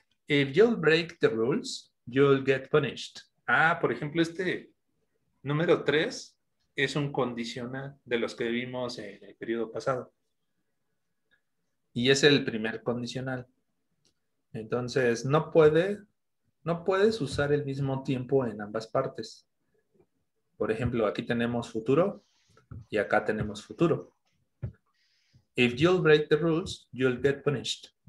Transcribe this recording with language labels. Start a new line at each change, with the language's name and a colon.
English: If you'll break the rules, you'll get punished.
Spanish: Ah, por ejemplo, este número tres es un condicional de los que vimos en el periodo pasado. Y es el primer condicional. Entonces, no puedes usar el mismo tiempo en ambas partes. Por ejemplo, aquí tenemos futuro y acá tenemos futuro.
English: If you'll break the rules, you'll get punished.